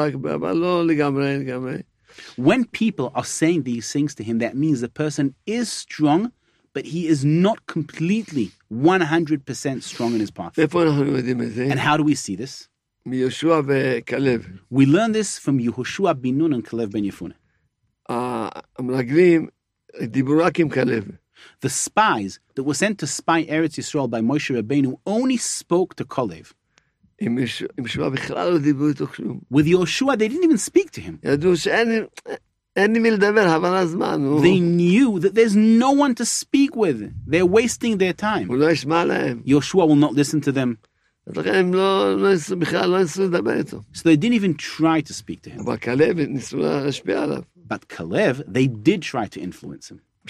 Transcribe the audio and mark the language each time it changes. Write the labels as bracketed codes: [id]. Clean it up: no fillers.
[en] When people are saying these things to him, that means the person is strong, but he is not completely 100% strong in his path. And how do we see this? [he] מיהושע וקלב. [en] We learn this from יהושע בן נון and קלב בן יפונה. [he] המרגלים דיברו רק עם קלב. [en] The spies that were sent to spy Eretz Yisrael by Moshe Rabbeinu only spoke to קלב. [he] עם יהושע בכלל לא דיברו איתו כלום. [en] With יהושע, they didn't even speak to him. [he] ידעו שאין לי מי לדבר, אבל הזמן. [en] They knew that there's no one to speak with. They're wasting their time. [he] הוא לא ישמע להם. [en] יהושע will not listen to them. So they didn't even try to speak to him. But Kalev, they did try to influence him.